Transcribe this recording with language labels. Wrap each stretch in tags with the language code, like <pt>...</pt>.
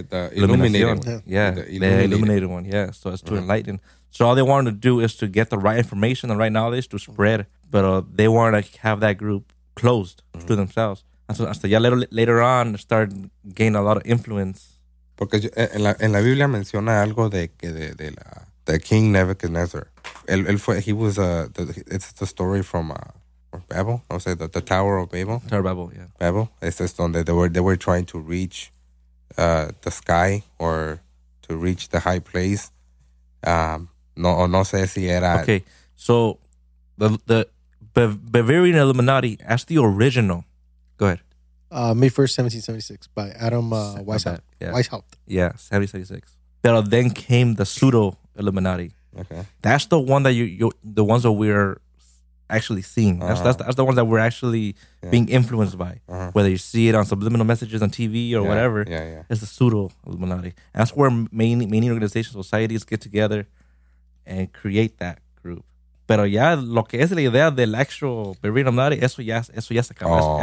<en>The illuminated one. Yeah. So it's to uh-huh. enlighten. So all they wanted to do is to get the right information, the right knowledge to spread. But they wanted to have that group closed mm-hmm. to themselves. And so later on, started gaining a lot of influence.</en> <es>Porque en la Biblia menciona algo de King Nebuchadnezzar.</es> <en>It's the story from Babel. I would say the Tower of Babel. Tower of Babel, yeah. Babel. It's just on that they were trying to reach the sky or to reach the high place.</en> <es>No sé si era.</es> <en>Okay, so the Bavarian Illuminati, that's the original. Go ahead. May 1st, 1776, by Adam Weishaupt. Yeah, 1776. But then came the pseudo Illuminati. Okay. That's the one that the ones that we're actually seeing. Uh-huh. That's the ones that we're actually being influenced by. Uh-huh. Whether you see it on subliminal messages on TV or whatever, it's the pseudo Illuminati. That's where many organizations, societies get together and create that group.</en> <es>Pero ya lo que es la idea del actual Bavarian Illuminati, eso ya se acabó.</es>